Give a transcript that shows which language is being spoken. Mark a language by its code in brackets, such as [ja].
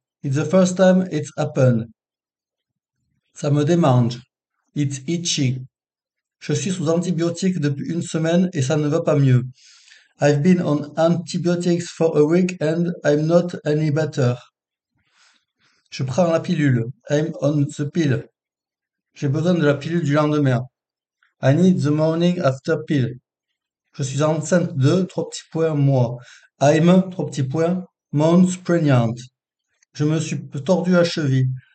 [en] It's the first time it's happened. [fr] Ça me démange. [en] It's itchy. [fr] Je suis sous antibiotiques depuis une semaine et ça ne va pas mieux. [en] I've been on antibiotics for a week and I'm not any better. [fr] Je prends la pilule. [en] I'm on the pill. [fr] J'ai besoin de la pilule du lendemain. [en] I need the morning after pill. [fr] Je suis enceinte de, trois petits points, moi. [en] I'm, [fr] trois petits points, [en] months pregnant. [fr] Je me suis tordu la cheville.